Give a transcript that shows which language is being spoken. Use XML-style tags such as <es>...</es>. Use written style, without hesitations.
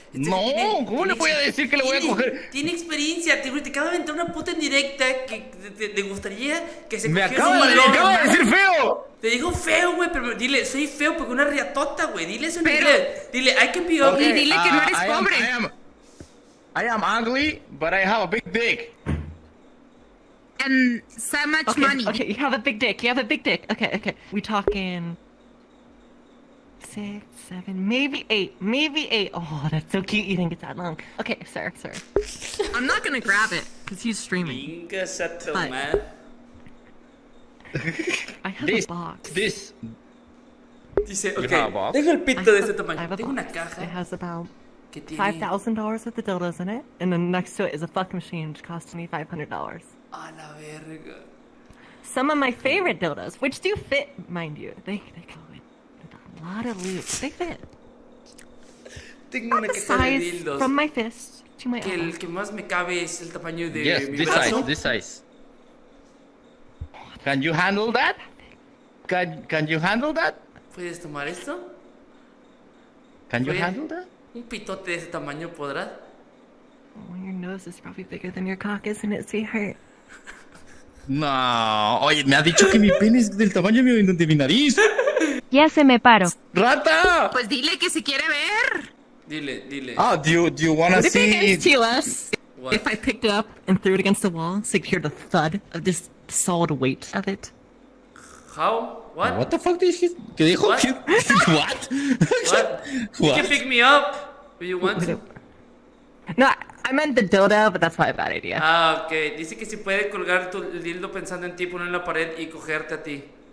<es>No, ¿cómo le voy a decir que le voy a coger? Tiene experiencia, tío, te acaba de entrar una puta en directa que te gustaría que se cogiera un balón. ¡Me acaba de decir feo! Te digo feo, güey, pero dile, soy feo porque una riatota, güey. Dile eso en inglés. Dile,</es> <en>I can be ugly.</en> <es>Y dile que no eres pobre.</es> <en>I am ugly, but I have a big dick. And so much money. Okay, you have a big dick. You have a big dick. Okay. We talking 6, 7, maybe 8. Oh, that's so cute. You think it's that long? Okay, sir. I'm not gonna grab it because he's streaming. Inga settlement. I have a box. This.</en> <es>Dice, okay. Tengo el pito de ese tamaño. Tengo una caja.</es> <en>It has about $5,000 worth of dildos in it, and then next to it is a fuck machine which cost me $500.</en> <es>A la verga.</es> <en>Some of my favorite dildos, which do fit, mind you. They go in with a lot of loot. They fit.</en> <es>Tengo una caja de dildos.</es> <en>From my fist to my</en> <es>El que más me cabe es el tamaño de</es> <en>yes,</en> <es>mi</es> <en>this</en> <es>brazo.</es> <en>Size, this size. Can you handle that? Can you handle that?</en> <es>¿Puedes tomar esto?</es> <en>Can you handle that?</en> <es>Un pitote de ese tamaño podrá.</es> <en>Well, your nose is probably bigger than your cock, isn't it, sweetheart? No.</en> <es>Oye, me ha dicho que mi pene es del tamaño de mi nariz. Ya se me paró. ¡Rata! Pues dile que si quiere ver. Dile.</es> <en>Oh, do you wanna what see... What if it was if I picked it up and threw it against the wall so you could hear the thud of this solid weight of it? How? What? What the fuck did she...</en> <es>¿Qué dijo?</es> <en>What? What? You can pick me up if you want. No, I meant the dildo, but that's probably a bad idea. Ah, okay.</en> <es>Dice que si puede colgar tu dildo pensando en ti, ponerlo en la pared y cogerte a ti.</es>